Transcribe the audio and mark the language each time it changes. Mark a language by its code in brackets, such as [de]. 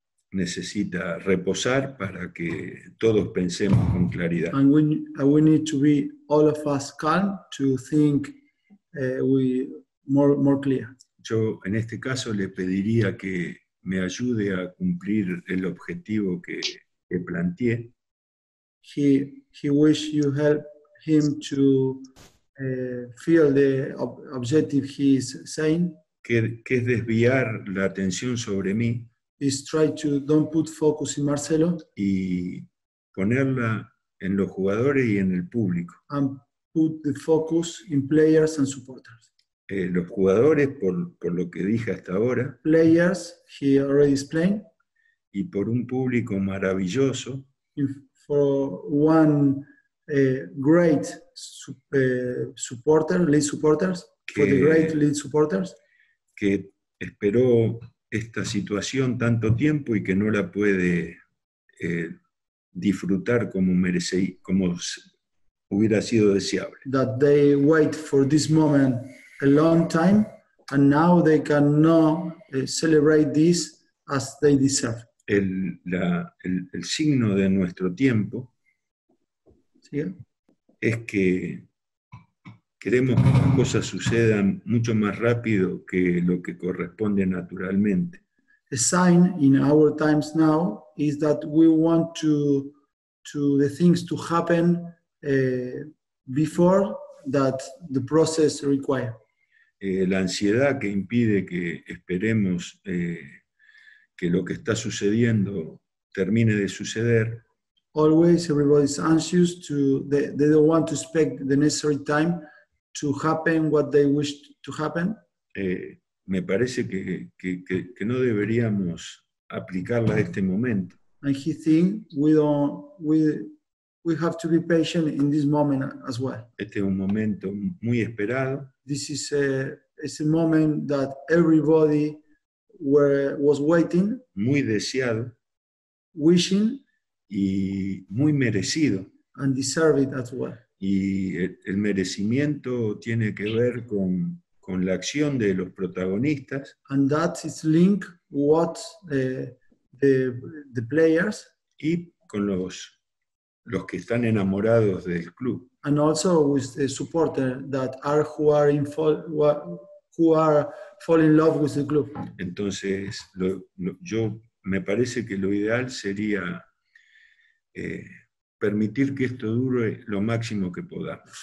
[es] Necesita reposar para que todos pensemos con claridad. [en] And we need to be all of us calm to think more clear. [es] Yo en este caso le pediría que me ayude a cumplir el objetivo que planteé. [en] He wish you help him to feel the objective he is saying. [es] Que es desviar la atención sobre mí. [en] Is try to don't put focus in Marcelo. [es] Y ponerla en los jugadores y en el público. [en] And put the focus in players and supporters. [es] Los jugadores, por lo que dije hasta ahora. [en] Players, he already explained. [es] Y por un público maravilloso. [en] For one great supporter, lead supporters. For the great lead supporters. [es] Que esperó esta situación tanto tiempo y que no la puede disfrutar como merece, como hubiera sido deseable. [en] That they wait for this moment a long time and now they cannot celebrate this as they deserve. [es] El signo de nuestro tiempo, ¿sí? Es que queremos que las cosas sucedan mucho más rápido que lo que corresponde naturalmente. [en] A sign in our times now is that we want to the things to happen before that the process require. [es] La ansiedad que impide que esperemos que lo que está sucediendo termine de suceder. [en] Always everybody's anxious to they don't want to expect the necessary time to happen what they wish to happen. [es] Me parece que no deberíamos aplicarla a este momento. [en] And he think we have to be patient in this moment as well. [es] Este es un momento muy esperado. [en] This is a moment that everybody was waiting. [es] Muy deseado. [en] Wishing. [es] Y muy merecido. [en] And deserve it as well. [es] Y el merecimiento tiene que ver con la acción de los protagonistas. [en] And that is linked what the players. [es] Y con los que están enamorados del club. [en] And also with the supporters that are who are fall in love with the club. [es] Entonces, yo me parece que lo ideal sería permitir que esto dure lo máximo que pueda.